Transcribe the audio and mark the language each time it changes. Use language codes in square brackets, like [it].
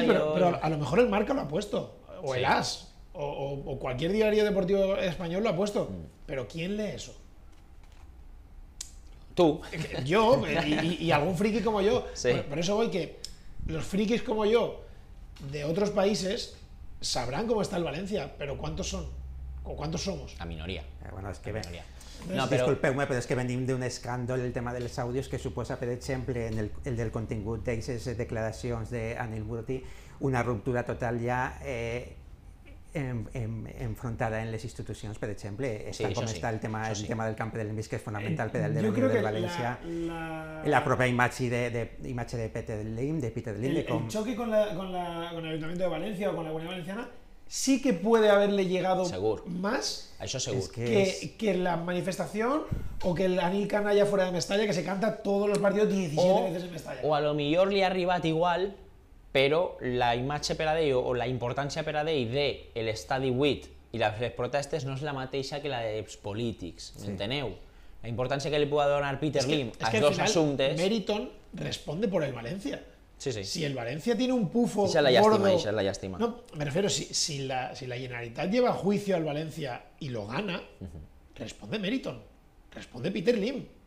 [es] Sí, pero a lo mejor el Marca lo ha puesto, o sí. El AS, o cualquier diario deportivo español lo ha puesto. Mm. Pero ¿quién lee eso? Tú. Yo, y algún friki como yo, sí. Por eso voy, que los frikis como yo de otros países sabrán cómo está el Valencia, pero ¿cuántos son? ¿O cuántos somos? La minoría. Bueno, es que ven. [ca] No, disculpeu-me, però és que venim d'un escàndol el tema dels àudios que suposa, per exemple, en el del contingut d'aquestes declaracions d'Anil Murti, una ruptura total ja enfrontada en les institucions, per exemple, està sí, com sí. Està el tema del camp del Mis, que és fonamental per al devenir de València. La pròpia imatge de Peter Lim, de Peter Lim. [es] El xoque con l'Ajuntament de València o con la Comunitat Valenciana sí que puede haberle llegado [ca] segur. [es] Más eso [ca] segur. [es] Que la manifestación o que el Anil Canalla fuera de Mestalla, que se canta todos los partidos 17 veces en Mestalla. O a lo mejor [ca] le arribat igual, pero la imatge per a d'ell o la importància per a d'ell de el Estadi 8 i les protestes no és la mateixa que la dels polítics, sí. ¿Enteneu? La importància que li pugui donar Peter Lim a dos assumptes... [es] Meriton responde por el Valencia. Sí, sí. Si el Valencia tiene un pufo gordo... Esa es la llástima. No, me refiero, si la Generalitat lleva juicio al Valencia y lo gana, responde Meriton, responde Peter Lim.